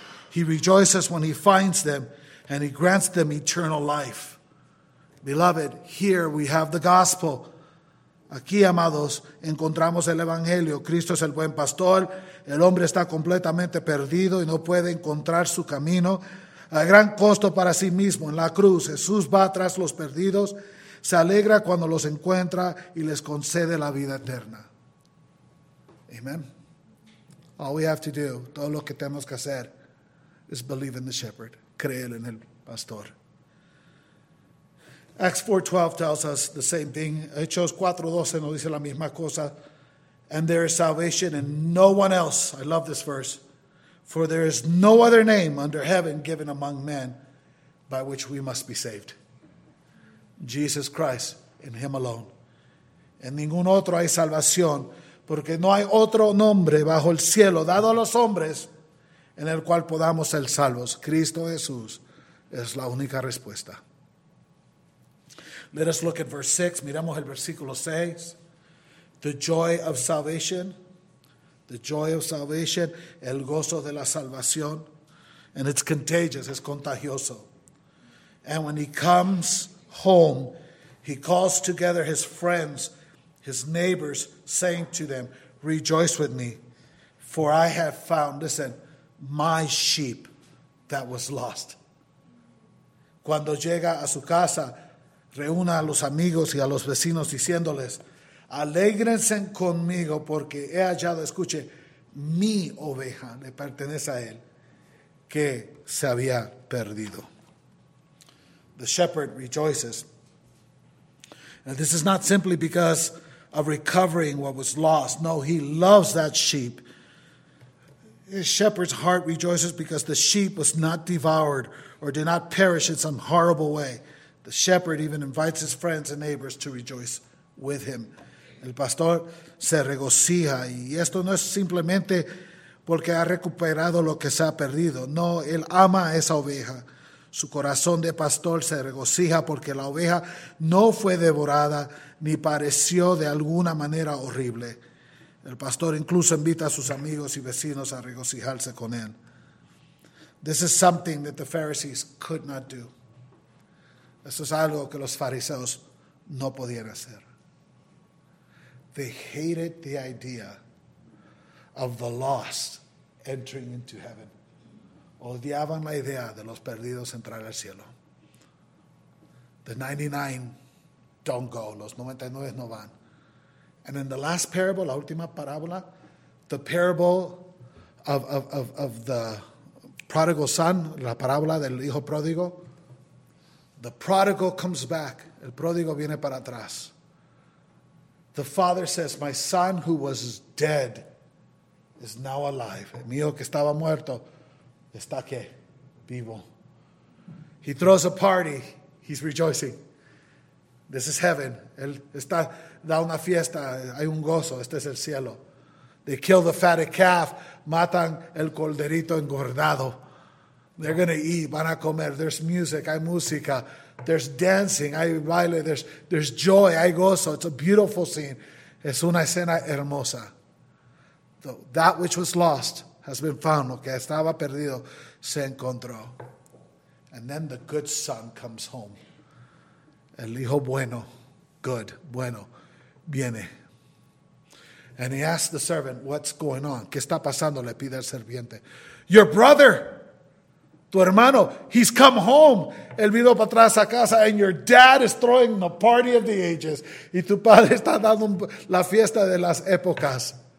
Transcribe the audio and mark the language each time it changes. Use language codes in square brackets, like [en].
[en] He rejoices when he finds them, and he grants them eternal life. Beloved, here we have the gospel. [es] Aquí, amados, encontramos el Evangelio. Cristo es el buen pastor. El hombre está completamente perdido y no puede encontrar su camino. A gran costo para sí mismo, en la cruz, Jesús va tras los perdidos. Se alegra cuando los encuentra y les concede la vida eterna. [en] Amen. All we have to do, [es] todo lo que tenemos que hacer, [en] is believe in the shepherd. [es] Creer en el pastor. [en] Acts 4:12 tells us the same thing. [es] Hechos 4:12 nos dice la misma cosa. [en] And there is salvation in no one else. I love this verse. For there is no other name under heaven given among men by which we must be saved. Jesus Christ, in him alone. [es] En ningún otro hay salvación, porque no hay otro nombre bajo el cielo dado a los hombres en el cual podamos ser salvos. Cristo Jesús es la única respuesta. [en] Let us look at verse 6. [es] Miramos el versículo 6. [en] The joy of salvation. The joy of salvation. [es] El gozo de la salvación. [en] And it's contagious. [es] Es contagioso. [en] And when he comes home, he calls together his friends, his neighbors, saying to them, rejoice with me, for I have found, listen, my sheep that was lost. [es] Cuando llega a su casa, reúna a los amigos y a los vecinos diciéndoles, alégrense conmigo porque he hallado, escuche, mi oveja, le pertenece a él, que se había perdido. [en] The shepherd rejoices. And this is not simply because of recovering what was lost. No, he loves that sheep. His shepherd's heart rejoices because the sheep was not devoured or did not perish in some horrible way. The shepherd even invites his friends and neighbors to rejoice with him. [es] El pastor se regocija. Y esto no es simplemente porque ha recuperado lo que se ha perdido. No, él ama a esa oveja. Su corazón de pastor se regocija porque la oveja no fue devorada ni pareció de alguna manera horrible. El pastor incluso invita a sus amigos y vecinos a regocijarse con él. [en] This is something that the Pharisees could not do. [es] Eso es algo que los fariseos no podían hacer. [en] They hated the idea of the lost entering into heaven. [es] Odiaban la idea de los perdidos entrar al cielo. [en] The 99 don't go. [es] Los 99 no van. [en] And in the last parable, [es] la última parábola, [en] the parable of the prodigal son, [es] la parábola del hijo pródigo, [en] the prodigal comes back. [es] El pródigo viene para atrás. [en] The father says, my son who was dead is now alive. [es] El mío que estaba muerto, está que vivo. [en] He throws a party. He's rejoicing. This is heaven. [es] Él está, da una fiesta. Hay un gozo. Este es el cielo. [en] They kill the fatted calf. [es] Matan el corderito engordado. [en] They're going to eat. [es] Van a comer. [en] There's music. [es] Hay música. [en] There's dancing. [es] Hay baile. [en] There's joy. [es] Hay gozo. [en] It's a beautiful scene. Es una escena hermosa. That which was lost has been found, [es] lo que estaba perdido, se encontró. [en] And then the good son comes home. [es] El hijo bueno, good, bueno, viene. [en] And he asks the servant, what's going on? [es] ¿Qué está pasando? Le pide al serviente. [en] Your brother, [es] tu hermano, [en] he's come home. [es] Él vino para atrás a casa, [en] and your dad is throwing the party of the ages. [es] Y tu padre está dando la fiesta de las épocas.